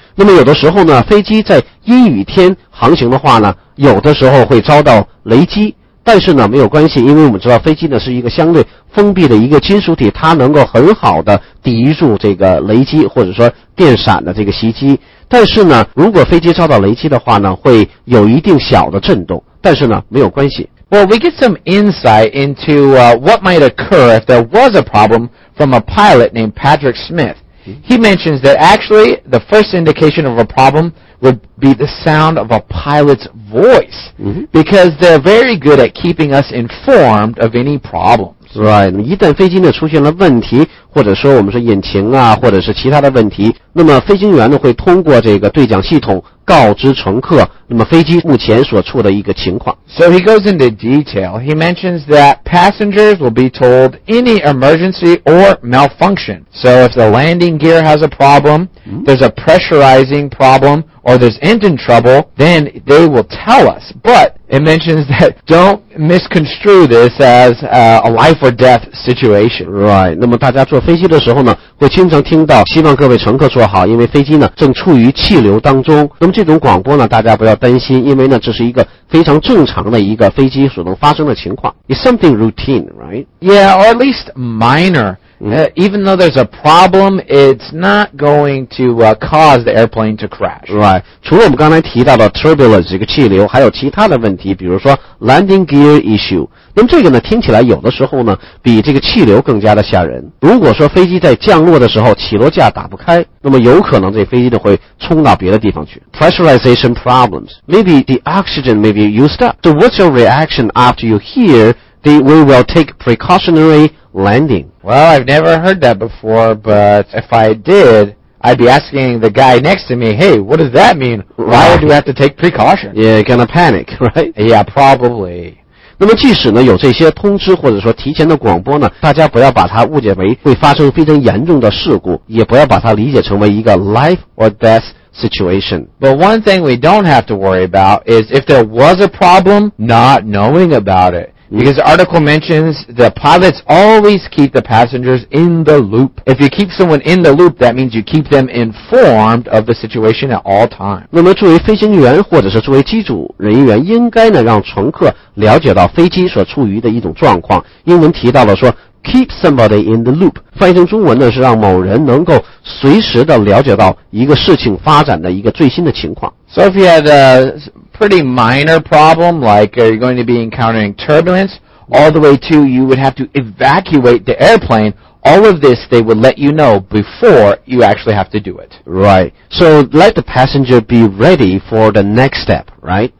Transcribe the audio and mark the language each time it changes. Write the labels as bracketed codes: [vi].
[zh] 那么有的时候呢，飞机在阴雨天航行的话呢，有的时候会遭到雷击。但是呢，没有关系，因为我们知道飞机呢是一个相对封闭的一个金属体，它能够很好的抵御住这个雷击或者说电闪的这个袭击。但是呢，如果飞机遭到雷击的话呢，会有一定小的震动，但是呢，没有关系。 [en] Well, we get some insight into what might occur if there was a problem from a pilot named Patrick Smith. He mentions that actually the first indication of a problem would be the sound of a pilot's voice, because they're very good at keeping us informed of any problems. Right. [zh] 一旦飞机呢出现了问题，或者说我们说引擎啊，或者是其他的问题，那么飞行员呢会通过这个对讲系统告知乘客，那么飞机目前所处的一个情况。 [en] So he goes into detail. He mentions that passengers will be told any emergency or malfunction. So if the landing gear has a problem, there's a pressurizing problem, or there's engine trouble, then they will tell us. But it mentions that don't misconstrue this as a life or death situation. Right. [zh] 那么大家坐飞机的时候呢，会经常听到，希望各位乘客坐好，因为飞机呢正处于气流当中。那么这种广播呢，大家不要担心，因为呢，这是一个非常正常的一个飞机所能发生的情况。 [en] It's something routine, right? Yeah, or at least minor. Even though there's a problem, it's not going to cause the airplane to crash. [zh] Right. 除了我们刚才提到的 turbulence 这个气流，还有其他的问题，比如说 landing gear issue。那么这个呢，听起来有的时候呢，比这个气流更加的吓人。如果说飞机在降落的时候起落架打不开，那么有可能这飞机呢会冲到别的地方去。 [en] Pressurization problems. Maybe the oxygen may be used up. So what's your reaction after you hear that we will take precautionary landing? Well, I've never heard that before, but if I did... I'd be asking the guy next to me, hey, what does that mean? Why do we have to take precaution? Yeah, you're gonna panic, right? Yeah, probably. [zh] 那么即使呢有这些通知或者说提前的广播呢，大家不要把它误解为会发生非常严重的事故，也不要把它理解成为一个 [en] life or death situation. But one thing we don't have to worry about is if there was a problem, not knowing about it. Because the article mentions the pilots always keep the passengers in the loop. If you keep someone in the loop, that means you keep them informed of the situation at all times. [zh] 那么作为飞行员或者是作为机组人员，应该呢让乘客了解到飞机所处于的一种状况。英文提到了说 [en] keep somebody in the loop. [zh] 翻译成中文呢，是让某人能够随时的了解到一个事情发展的一个最新的情况。 [en] So if you had a pretty minor problem, like you're going to be encountering turbulence, all the way to you would have to evacuate the airplane,All of this, they would let you know before you actually have to do it. Right. So let the passenger be ready for the next step, right?